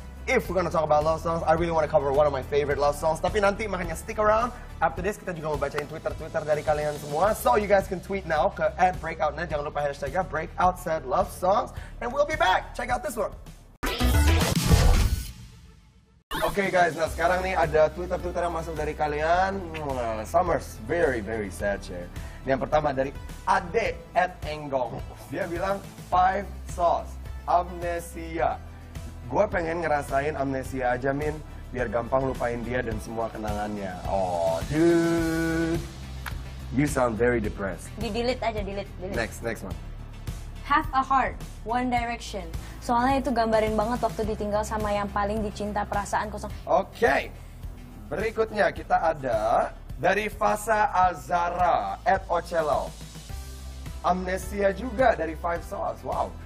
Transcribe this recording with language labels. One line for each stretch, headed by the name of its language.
English: If we're gonna talk about love songs, I really wanna cover one of my favorite love songs.
Indonesian: Tapi nanti makanya
English: stick around. After this
Indonesian: kita juga mau bacain Twitter dari kalian semua.
English: So you guys can tweet now ke @breakoutnet.
Indonesian: Jangan lupa hashtagnya breakout said love songs.
English: And we'll be back. Check out this one. Okay guys,
Indonesian: nah sekarang nih ada Twitter yang masuk dari kalian.
English: Summer's very very sad. Ya.
Indonesian: Yang pertama dari Ade @enggong. Dia bilang 5 sauce amnesia. Gue pengen ngerasain amnesia aja, Min. Biar gampang lupain dia dan semua kenangannya.
English: Oh, dude. You sound very depressed.
Indonesian: Di-delete aja, delete.
English: Next one. Half a heart, One Direction.
Indonesian: Soalnya itu gambarin banget waktu ditinggal sama yang paling dicinta, perasaan kosong.
English: Okay.
Indonesian: Berikutnya kita ada dari Fasa Azara @ocello. Amnesia juga dari Five Sauce. Wow.